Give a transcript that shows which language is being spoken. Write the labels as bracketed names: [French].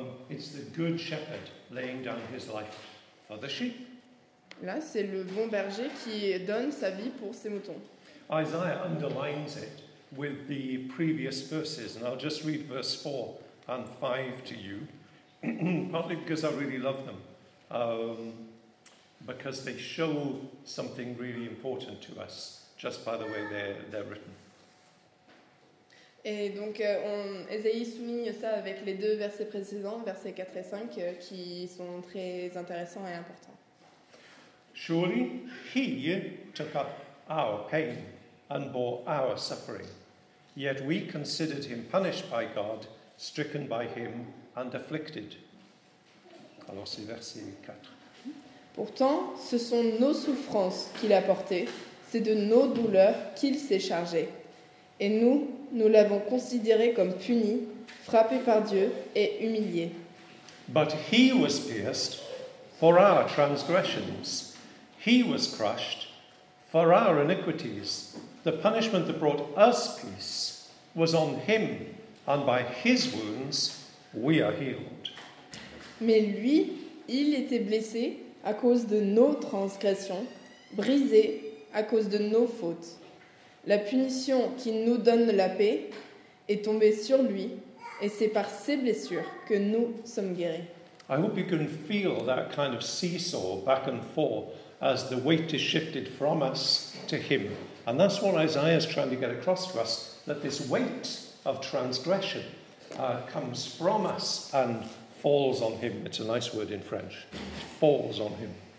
[English] It's the good shepherd laying down his life for the sheep. [French] Là, c'est le bon berger qui donne sa vie pour ses moutons. [English] Isaiah underlines it with the previous verses, and I'll just read verse 4 and 5 to you, partly because I really love them. Because they show something really important to us just by the way they're written. [French] Et donc Ésaïe souligne ça avec les deux versets précédents, versets 4 et 5, qui sont très intéressants et importants. [English] Surely he took up our pain and bore our suffering. Yet we considered him punished by God, stricken by him and afflicted. [French] Alors c'est verset 4. Pourtant, ce sont nos souffrances qu'il a portées, c'est de nos douleurs qu'il s'est chargé. Et nous, nous l'avons considéré comme puni, frappé par Dieu et humilié. [English] But he was pierced for our transgressions. He was crushed for our iniquities. The punishment that brought us peace was on him, and by his wounds we are healed. [French] Mais lui, il était blessé à cause de nos transgressions, brisés à cause de nos fautes. La punition qui nous donne la paix est tombée sur lui, et c'est par ses blessures que nous sommes guéris. [English] I hope you can feel that kind of seesaw back and forth as the weight is shifted from us to him. And that's what Isaiah is trying to get across to us, that this weight of transgression comes from us and falls on him. It's a nice word in French. Falls on him.